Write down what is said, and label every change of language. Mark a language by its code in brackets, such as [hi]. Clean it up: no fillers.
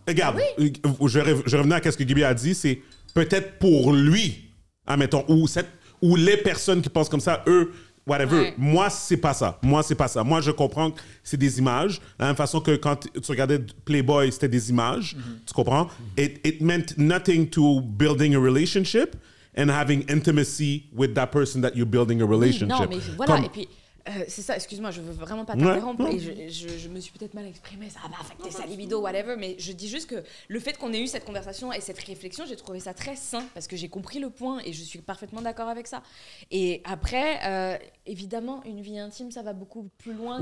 [fr] Regarde, je revenais à ce que Gibby a dit, c'est peut-être pour lui, admettons, ou les personnes qui pensent comme ça, eux, whatever. Ouais. Moi, c'est pas ça. Moi, je comprends que c'est des images. De la même façon que quand tu regardais Playboy, c'était des images. Mm-hmm. Tu comprends? Mm-hmm. [en] It meant nothing to building a relationship and having intimacy with that person that you're building a relationship. [fr] Oui, non, mais voilà. Comme... Et puis, c'est ça, excuse-moi, je veux vraiment pas t'interrompre. Ouais. Et je me suis peut-être mal exprimée. Ça va affecter sa libido, whatever. Mais je dis juste que le fait qu'on ait eu cette conversation et cette réflexion, j'ai trouvé ça très sain parce que j'ai compris le point et je suis parfaitement d'accord avec ça. Et après... Évidemment, une vie intime, ça va beaucoup plus loin.